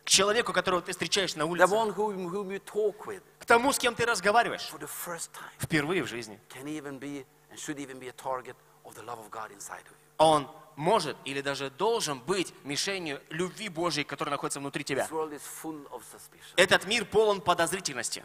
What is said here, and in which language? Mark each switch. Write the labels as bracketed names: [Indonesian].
[Russian] К человеку, которого ты встречаешь на улице. [English] The one whom you talk with. [Russian] К тому, с кем ты разговариваешь. [English] For the first time. [Russian] Впервые в жизни. [English] Can even be and should even be a target of the love of God inside of you. [Russian] Он может или даже должен быть мишенью любви Божьей, которая находится внутри тебя. [English] This world is full of suspicion. [Russian] Этот мир полон подозрительности.